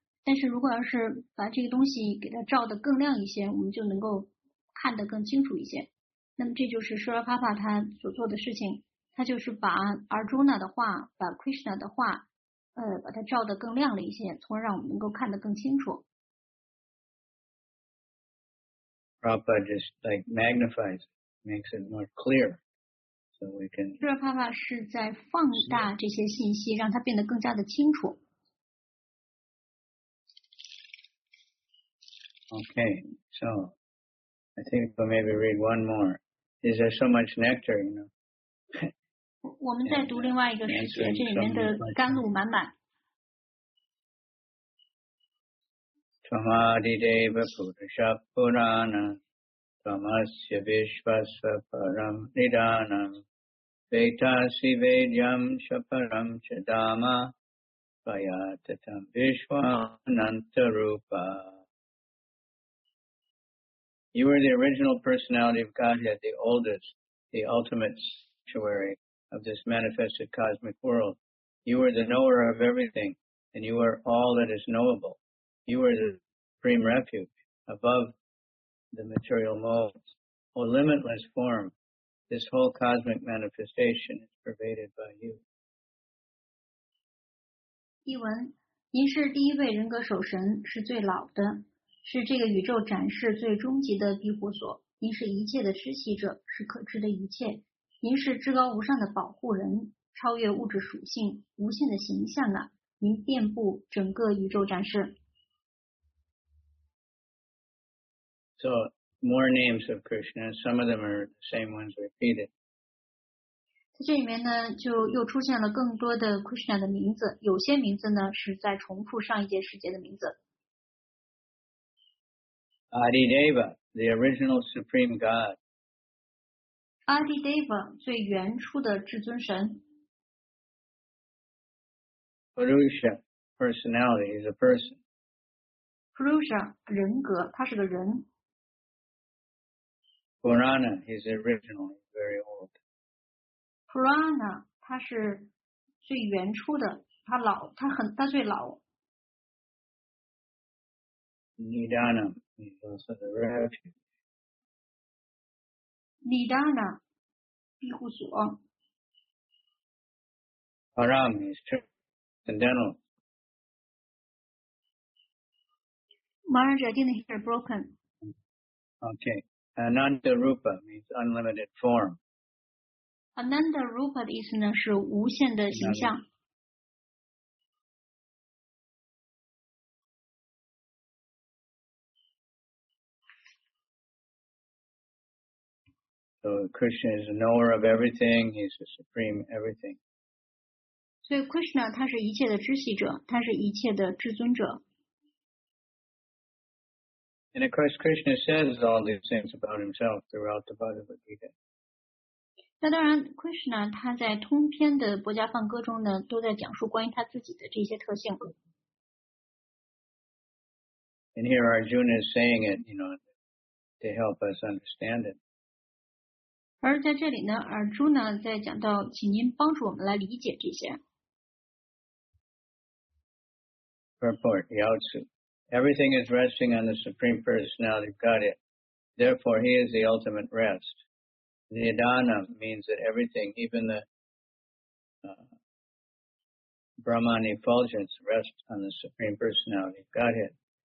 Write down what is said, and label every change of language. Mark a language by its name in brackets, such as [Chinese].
[Chinese] 但是如果要是把这个东西给它照得更亮一些，我们就能够看得更清楚一些。那么这就是舍尔帕帕他所做的事情，他就是把阿尔朱纳的话，把 Krishna 的话，把它照得更亮了一些，从而让我们能够看得更清楚。 [English] Prabhupada just like magnifies, makes it more clear, so we can. [Chinese] 舍尔帕帕是在放大这些信息，让它变得更加的清楚。 [English] Okay, so I think we'll maybe read one more. Is there so much nectar, you know? [Chinese] 我们再读另外一个诗节，这里面的甘露满满。 [Sanskrit] Tamadi Deva Purusha Purana Tamasya Vishvasa Param Nidanam Vetasi Vedyam Shaparam Chadama Vayatatam Vishwananta Rupa. [English] You are the original personality of Godhead, the oldest, the ultimate sanctuary of this manifested cosmic world. You are the knower of everything, and you are all that is knowable. You are the supreme refuge above the material molds. O limitless form, this whole cosmic manifestation is pervaded by you. [Chinese] 译文，您是第一位人格守神，是最老的，是这个宇宙展示最终极的庇护所。您是一切的施习者，是可知的一切。您是至高无上的保护人，超越物质属性，无限的形象啊！您遍布整个宇宙展示。 [English] So more names of Krishna. Some of them are the same ones repeated. [Chinese] 在这里面呢，就又出现了更多的 Krishna 的名字。有些名字呢是在重复上一节时节的名字。 [English] Adi Deva, the original supreme God. [Chinese] Adi Deva, 最原初的至尊神。 [English] Purusha, personality, is a person. [Chinese] Purusha, 人格，他是个人。 [English] Purana, he's original, very old. [Chinese] Purana, 他是最原初的，他老，他很，他最老。 [English] Nidana, he's also the refuge. [Chinese] Nidana, 庇护所。 [English] Param, he's transcendental. Maharaja, didn't hear broken. Okay. Ananda Rupa means unlimited form. [Chinese] Ananda Rupa 的意思呢是无限的形象。 [English] So Krishna is the knower of everything. He's the supreme everything. [Chinese] 所以 Krishna 他是一切的知悉者，他是一切的至尊者。 [English] And of course, Krishna says all these things about himself throughout the Bhagavad Gita. [Chinese] 那当然 ，Krishna 他在通篇的《薄伽梵歌》中呢，都在讲述关于他自己的这些特性。 [English] And here Arjuna is saying it, you know, to help us understand it. [Chinese] 而在这里呢 ，Arjuna 在讲到，请您帮助我们来理解这些。 [English] Purport, Yautsu. Everything is resting on the Supreme Personality of Godhead. Therefore, He is the ultimate rest. Nidana means that everything, even the Brahman effulgence, rests on the Supreme Personality of Godhead.